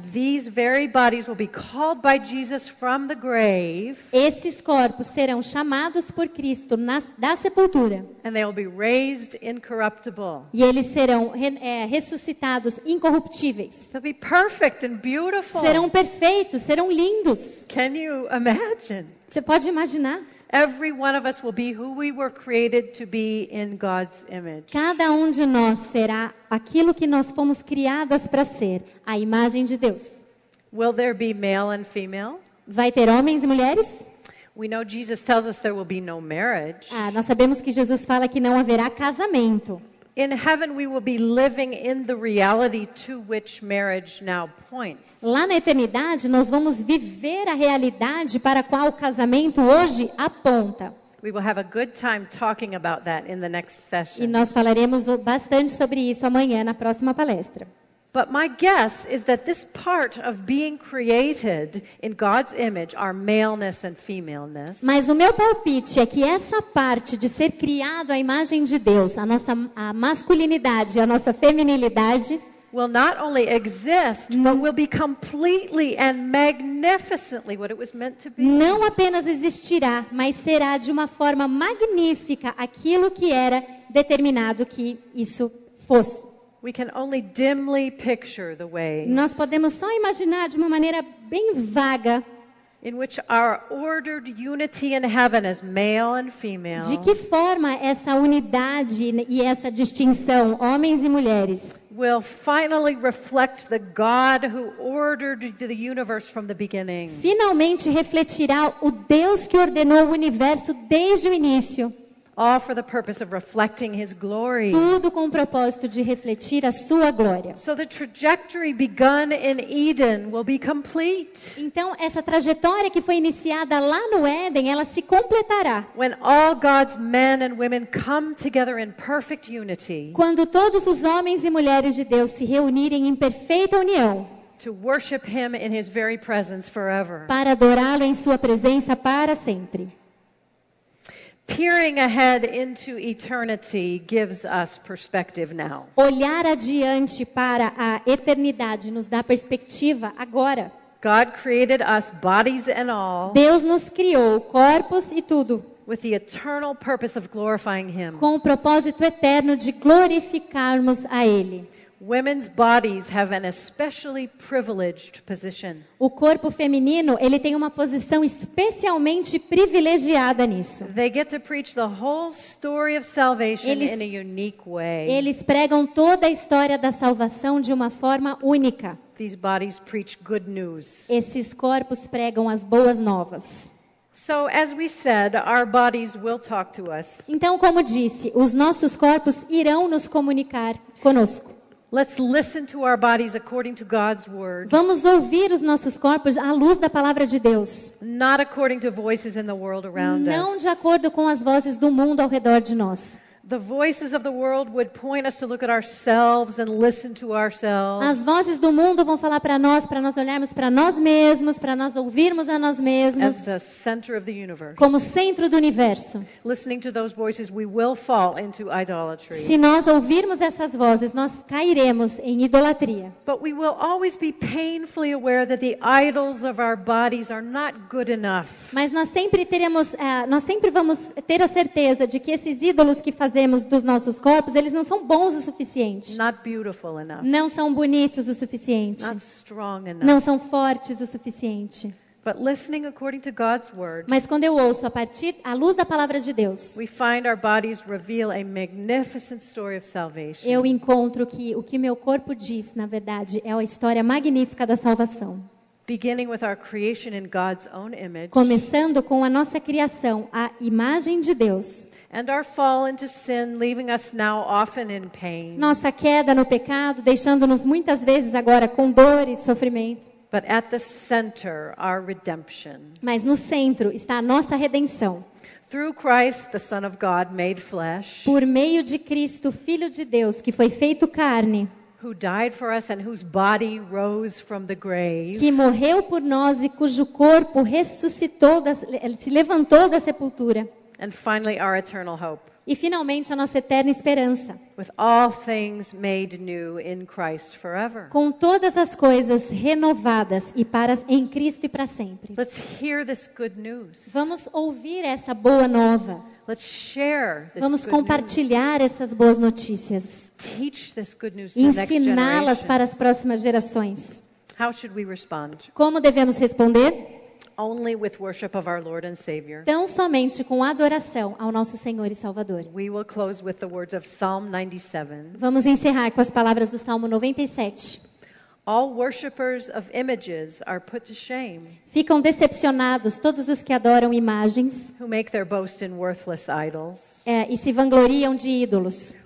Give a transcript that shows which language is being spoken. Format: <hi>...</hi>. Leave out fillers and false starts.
<en>These very bodies will be called by Jesus from the grave.</en> <pt>Esses corpos serão chamados por Cristo da sepultura.</pt> <en>And they will be raised incorruptible.</en> <pt>E eles serão ressuscitados incorruptíveis.</pt> <en>They'll be perfect and beautiful.</en> <pt>Serão perfeitos, serão lindos.</pt> <en>Can you imagine?</en> <pt>Você pode imaginar?</pt> <en>Every one of us will be who we were created to be in God's image.</en> <pt>Cada um de nós será aquilo que nós fomos criadas para ser, a imagem de Deus.</pt> <en>Will there be male and female?</en> <pt>Vai ter homens e mulheres?</pt> <en>We know Jesus tells us there will be no marriage.</en> <pt>Nós sabemos que Jesus fala que não haverá casamento.</pt> <en>In heaven we will be living in the reality to which marriage now points.</en> <pt>Lá na eternidade nós vamos viver a realidade para a qual o casamento hoje aponta.</pt> <en>We will have a good time talking about that in the next session.</en> <pt>E nós falaremos bastante sobre isso amanhã na próxima palestra.</pt> <en>But my guess is that this part of being created in God's image are maleness and femaleness.</en> <pt>Mas o meu palpite é que essa parte de ser criado à imagem de Deus, a nossa masculinidade e a nossa feminilidade,</pt> <en>will not only exist, but will be completely and magnificently what it was meant to be.</en> <pt>Não apenas existirá, mas será de uma forma magnífica aquilo que era determinado que isso fosse.</pt> <en>We can only dimly picture the ways.</en> <pt>Nós podemos só imaginar de uma maneira bem vaga.</pt> <en>In which our ordered unity in heaven as male and female.</en> <pt>De que forma essa unidade e essa distinção homens e mulheres</pt> <en>will finally reflect the God who ordered the universe from the beginning.</en> <pt>Finalmente refletirá o Deus que ordenou o universo desde o início.</pt> <en>All for the purpose of reflecting his glory.</en> <pt>Tudo com o propósito de refletir a sua glória.</pt> <en>So the trajectory begun in Eden will be complete.</en> <pt>Então essa trajetória que foi iniciada lá no Éden, ela se completará.</pt> <en>When all God's men and women come together in perfect unity.</en> <pt>Quando todos os homens e mulheres de Deus se reunirem em perfeita união.</pt> <en>To worship him in his very presence forever.</en> <pt>Para adorá-lo em sua presença para sempre.</pt> <en>Peering ahead into eternity gives us perspective now.</en> <pt>Olhar adiante para a eternidade nos dá perspectiva agora.</pt> <en>God created us, bodies and all.</en> <pt>Deus nos criou, corpos e tudo.</pt> <en>With the eternal purpose of glorifying him.</en> <pt>Com o propósito eterno de glorificarmos a ele.</pt> <en>Women's bodies have an especially privileged position.</en> <pt>O corpo feminino, ele tem uma posição especialmente privilegiada nisso.</pt> <en>They get to preach the whole story of salvation in a unique way.</en> <pt>Eles pregam toda a história da salvação de uma forma única.</pt> <en>These bodies preach good news.</en> <pt>Esses corpos pregam as boas novas.</pt> <en>So as we said, our bodies will talk to us.</en> <pt>Então, como disse, os nossos corpos irão nos comunicar conosco.</pt> <en>Let's listen to our bodies according to God's word.</en> <pt>Vamos ouvir os nossos corpos à luz da palavra de Deus.</pt> <en>Not according to voices in the world around us.</en> <pt>Não de acordo com as vozes do mundo ao redor de nós.</pt> <en>The voices of the world would point us to look at ourselves and listen to ourselves.</en> <pt>As vozes do mundo vão falar para nós olharmos para nós mesmos, para nós ouvirmos a nós mesmos.</pt> <en>As the center of the universe.</en> <pt>Como centro do universo.</pt> <en>Listening to those voices, we will fall into idolatry.</en> <pt>Se nós ouvirmos essas vozes, nós cairemos em idolatria.</pt> <en>But we will always be painfully aware that the idols of our bodies are not good enough.</en> <pt>Mas nós sempre teremos, nós sempre vamos ter a certeza de que esses ídolos que fazemos dos nossos corpos, eles não são bons o suficiente.</pt> <en>Not beautiful enough.</en> <pt>Não são bonitos o suficiente.</pt> <en>Not strong enough.</en> <pt>Não são fortes o suficiente.</pt> <en>But listening according to God's word,</en> <pt>mas quando eu ouço a partir à luz da palavra de Deus,</pt> <en>we find our bodies reveal a magnificent story of salvation.</en> <pt>Eu encontro que o que meu corpo diz, na verdade, é a história magnífica da salvação.</pt> <en>Beginning with our creation in God's own image.</en> <pt>Começando com a nossa criação, a imagem de Deus.</pt> <en>And our fall into sin, leaving us now often in pain.</en> <pt>Nossa queda no pecado, deixando-nos muitas vezes agora com dor e sofrimento.</pt> <en>But at the center, our redemption.</en> <pt>Mas no centro está a nossa redenção.</pt> <en>Through Christ, the Son of God, made flesh.</en> <pt>Por meio de Cristo, Filho de Deus, que foi feito carne.</pt> <en>Who died for us and whose body rose from the grave.</en> <pt>Que morreu por nós e cujo corpo ressuscitou, se levantou da sepultura.</pt> <en>And finally our eternal hope.</en> <pt>E finalmente a nossa eterna esperança.</pt> <en>With all things made new in Christ forever.</en> <pt>Com todas as coisas renovadas e para, em Cristo e para sempre.</pt> <en>Let's hear this good news.</en> <pt>Vamos ouvir essa boa nova.</pt> <en>Let's share this.</en> <pt>Vamos compartilhar essas boas notícias.</pt> <en>Teach this good news.</en> <pt>Ensiná-las para as próximas gerações.</pt> <en>How should we respond?</en> <pt>Como devemos responder?</pt> <en>Only with worship of our Lord and Savior.</en> <pt>Tão somente com adoração ao nosso Senhor e Salvador.</pt> <en>We will close with the words of Psalm 97.</en> <pt>Vamos encerrar com as palavras do Salmo 97.</pt> <en>All worshippers of images are put to shame.</en> <pt>Ficam decepcionados todos os que adoram imagens.</pt> <en>Who make their boast in worthless idols.</en> <pt>E se vangloriam de ídolos.</pt>